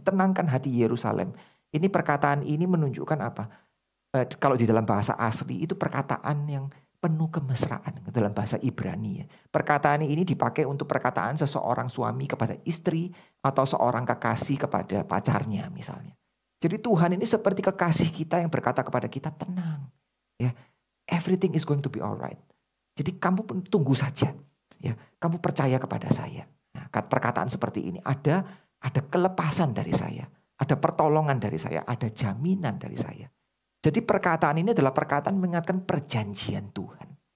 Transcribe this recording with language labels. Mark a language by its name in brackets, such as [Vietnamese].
[Indonesian] Tenangkan hati Yerusalem. Ini perkataan ini menunjukkan apa? Kalau di dalam bahasa asli itu perkataan yang penuh kemesraan. Dalam bahasa Ibrani. Ya. Perkataan ini dipakai untuk perkataan seseorang suami kepada istri. Atau seorang kekasih kepada pacarnya misalnya. Jadi Tuhan ini seperti kekasih kita yang berkata kepada kita tenang. [English] Ya, everything is going to be alright. [Indonesian] Jadi kamu pun tunggu saja. Ya, kamu percaya kepada saya. Nah, perkataan seperti ini ada kelepasan dari saya, ada pertolongan dari saya, ada jaminan dari saya. Jadi perkataan ini adalah perkataan mengingatkan perjanjian Tuhan.